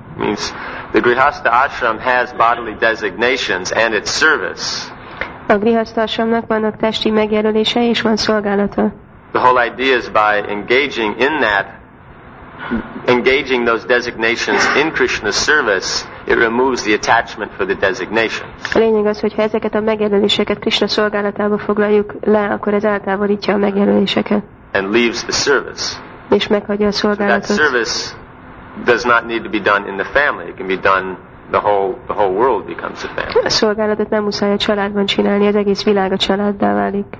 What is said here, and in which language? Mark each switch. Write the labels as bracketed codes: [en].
[en] Means the grihastha ashram has bodily designations and its service. [hu] A grihastha ashramnak vannak testi megjelölései és van szolgálata. [en] The whole idea is by engaging in that, engaging those designations in Krishna's service, it removes the attachment for the designation. [hu] A lényeg az, hogy ha ezeket a megjelöléseket Krishna szolgálatába foglaljuk le, akkor ez eltávolítja a megjelöléseket. [en] And leaves the service. [hu] És meghagyja a szolgálatot. [en] So that service does not need to be done in the family. It can be done, the whole world becomes a family. [hu] A szolgálatot nem muszáj a családban csinálni, az egész világ a családdá válik.